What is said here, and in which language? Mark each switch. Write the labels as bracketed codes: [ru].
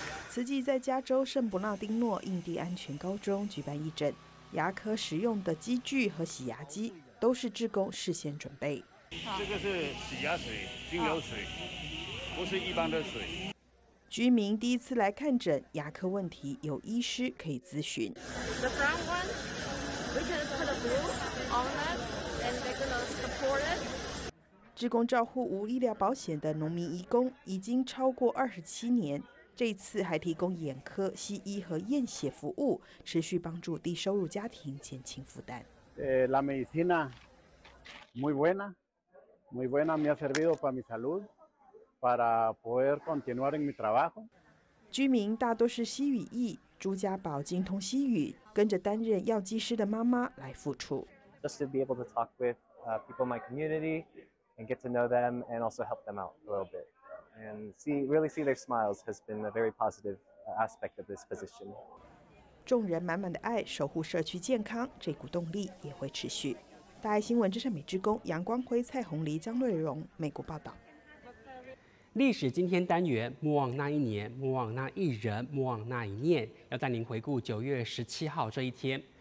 [zh] 慈济在加州圣伯纳丁诺印第安全高中举办义诊，牙科使用的机具和洗牙机都是志工事先准备。这个是洗牙水、精油水，不是一般的水。居民第一次来看诊，牙科问题有医师可以咨询。 [en] The brown one, we can put a blue on that and make it support it. [zh] 志工照护无医疗保险的农民义工已经超过27年。这次还提供眼科、西医和验血服务，持续帮助低收入家庭减轻负担。 [es] La medicina muy buena, muy buena, me ha servido para mi salud, para poder continuar en mi trabajo。 [zh] 居民大多是西语裔，朱家宝精通西语，跟着担任药剂师的妈妈来付出。 [en] Just to be able to talk with people in my community and get to know them and also help them out a little bit. And see, really see their smiles has been a very positive aspect of this position. [zh] 众人满满的爱，守护社区健康，这股动力也会持续。大爱新闻真善美志工杨光辉、蔡红梨、张瑞荣，美国报道。历史今天单元，莫忘那一年，莫忘那一人，莫忘那一念，要带您回顾9月17号这一天。